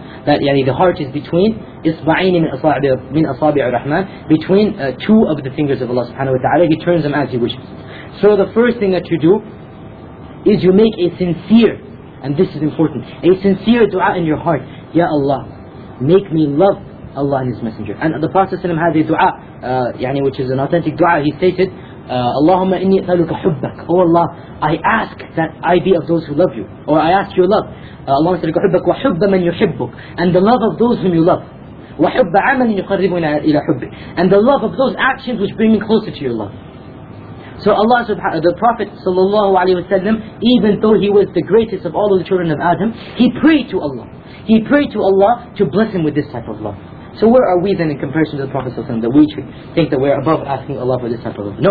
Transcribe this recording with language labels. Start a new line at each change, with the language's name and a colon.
English: That yani the heart is between
Arabic: إِصْبَعَيْنِ مِنْ أَصَابِعِ الرَّحْمَنِ,
English: between two of the fingers of Allah subhanahu wa ta'ala. He turns them as He wishes. So the first thing that you do is you make a sincere, and this is important, a sincere dua in your heart. Ya Allah, make me love Allah and His Messenger. And the Prophet ﷺ has a dua, yani which is an authentic dua. He stated,
Arabic: اللهم إني أسألك حبك.
English: Oh Allah, I ask that I be of those who love You. Or I ask Your love.
Arabic: اللهم أسألك حبك وحب من يحبك.
English: And the love of those whom You love.
Arabic: وحب عمل يقربنا إلى حبك.
English: And the love of those actions which bring me closer to Your love. So Allah subhanahu wa ta'ala, the Prophet sallallahu alayhi wa sallam, even though he was the greatest of all of the children of Adam, he prayed to Allah. He prayed to Allah to bless him with this type of love. So where are we then in comparison to the Prophet sallallahu alayhi wa sallam, that we think that we're above asking Allah for this type of love?